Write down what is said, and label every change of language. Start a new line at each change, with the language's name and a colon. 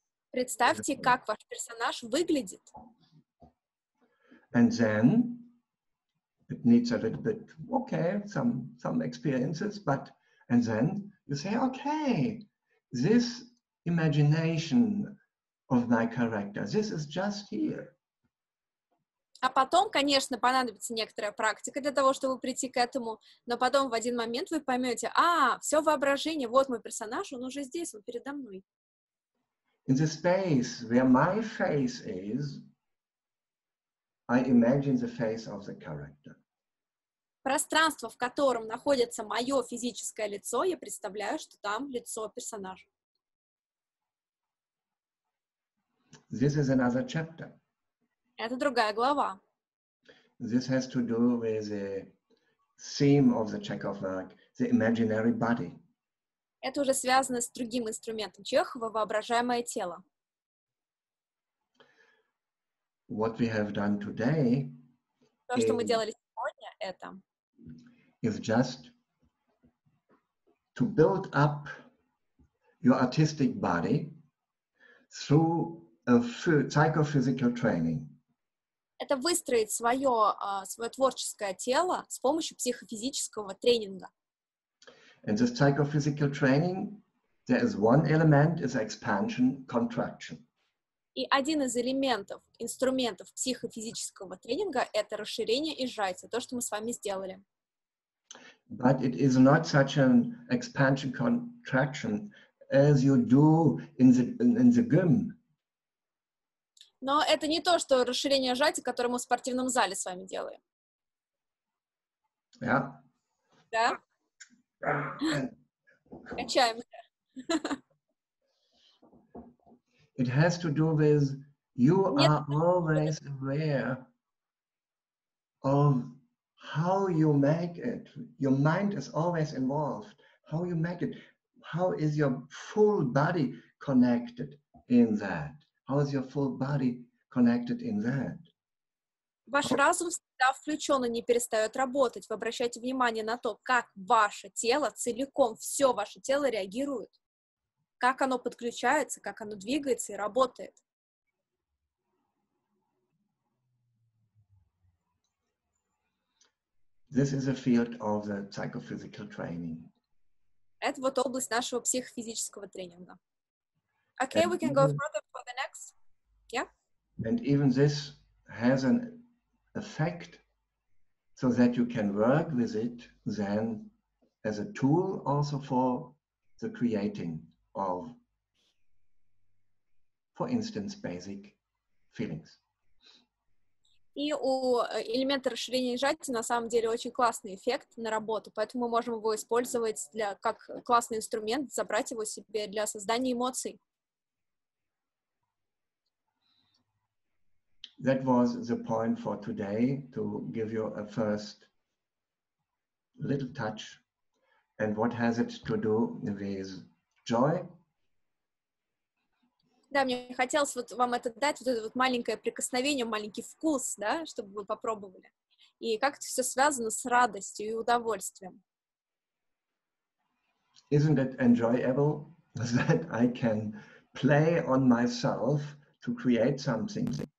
Russian: Представьте, как ваш персонаж выглядит.
English: And then it needs a little bit, okay, some experiences, but and then you say, okay, this imagination of my character, this is just here.
Russian: А потом, конечно, понадобится некоторая практика для того, чтобы прийти к этому, но потом в один момент вы поймете, все воображение, вот мой персонаж, он уже здесь, он передо мной.
English: In the space where my face is, I imagine the face of the character.
Russian: Пространство, в котором находится мое физическое лицо, я представляю, что там лицо персонажа.
English: This is another chapter.
Russian: Это другая глава.
English: This has to do with the theme of the Chekhov work, the imaginary body.
Russian: Это уже связано с другим инструментом Чехова, воображаемое тело.
English: What we have done today
Russian: То, что мы делали сегодня, это
English: is just to build up your artistic body through a psychophysical training.
Russian: это выстроить свое, свое творческое тело с помощью психофизического тренинга.
English: In this psychophysical training, there is one element, is expansion-contraction.
Russian: И один из элементов, инструментов психофизического тренинга — это расширение и сжатие, то, что мы с вами сделали.
English: But it is not such an expansion-contraction as you do in the gym.
Russian: Но это не то, что расширение и сжатие, которое мы в спортивном зале с вами делаем.
English: Yeah.
Russian: Да? Качаем.
English: It has to do with you are always aware of how you make it. Your mind is always involved. How you make it? How is your full body connected in that? How is your full body connected in that?
Russian: Ваш разум всегда включен и не перестает работать. Вы обращаете внимание на то, как ваше тело целиком, все ваше тело реагирует. Как оно подключается, как оно двигается и работает.
English: This is a field of the psychophysical training.
Russian: Это вот область нашего психофизического тренинга.
English: Okay, and we can go further for the next. Yeah? And even this has an effect so that you can work with it then as a tool also for the creating of, for instance, basic feelings.
Russian: И у элемента расширения и сжатия на самом деле очень классный эффект на работу, поэтому мы можем его использовать для, как классный инструмент, забрать его себе для создания эмоций.
English: That was the point for today, to give you a first little touch. And what has it to do with joy?
Russian: Да, мне хотелось вот вам это дать, вот это вот маленькое прикосновение, маленький вкус, да, чтобы вы попробовали. И как это все связано с радостью и удовольствием.
English: Isn't it enjoyable that I can play on myself to create something?